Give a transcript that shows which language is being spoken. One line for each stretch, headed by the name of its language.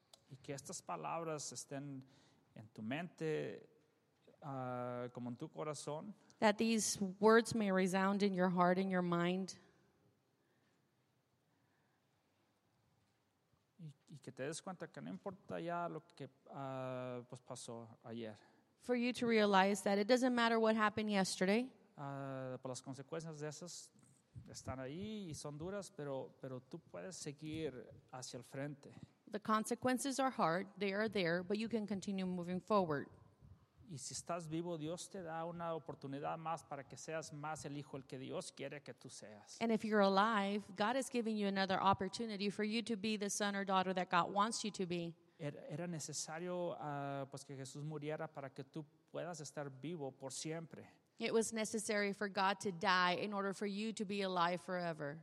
Spanish: Y que estas palabras estén en tu mente, como en tu corazón.
English: That these words may resound in your heart, in your mind.
Spanish: Y que te des cuenta que no importa ya lo que pues pasó ayer.
English: For you to realize that it doesn't matter what happened yesterday.
Spanish: Por las consecuencias de esas están ahí y son duras, pero tú puedes seguir hacia el frente.
English: The consequences are hard, they are there, but you can continue moving forward.
Spanish: Y si estás vivo, Dios te da una oportunidad más para que seas más el hijo el que Dios quiere que tú seas.
English: And if you're alive, God is giving you another opportunity for you to be the son or daughter that God wants you to be.
Spanish: Era necesario pues que Jesús muriera para que tú puedas estar vivo por siempre.
English: It was necessary for God to die in order for you to be alive forever.